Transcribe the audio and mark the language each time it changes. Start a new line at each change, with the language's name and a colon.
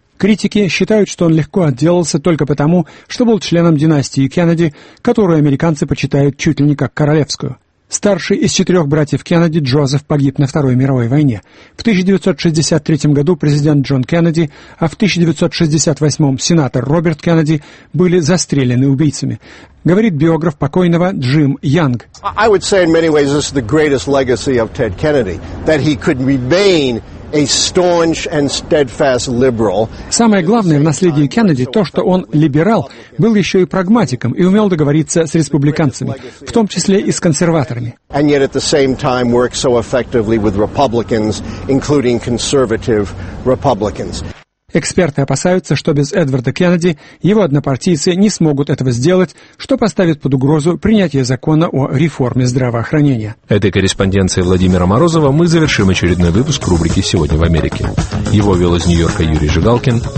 Russian: Критики считают, что он легко отделался только потому, что был членом династии Кеннеди, которую американцы почитают чуть ли не как королевскую. Старший из 4 братьев Кеннеди, Джозеф, погиб на Второй мировой войне. В 1963 году президент Джон Кеннеди, а в 1968-м сенатор Роберт Кеннеди были застрелены убийцами, говорит биограф покойного Джим Янг.
English: I would say in many ways this is the greatest legacy of Ted Kennedy, that he could remain a staunch and steadfast liberal.
Russian: Самое главное в наследии Кеннеди то, что он либерал, был еще и прагматиком и умел договориться с республиканцами, в том числе и с консерваторами.
English: And yet at the same time worked so effectively with Republicans, including conservative Republicans.
Russian: Эксперты опасаются, что без Эдварда Кеннеди его однопартийцы не смогут этого сделать, что поставит под угрозу принятие закона о реформе здравоохранения. Этой корреспонденцией Владимира Морозова мы завершим очередной выпуск рубрики «Сегодня в Америке». Его вел из Нью-Йорка Юрий Жигалкин.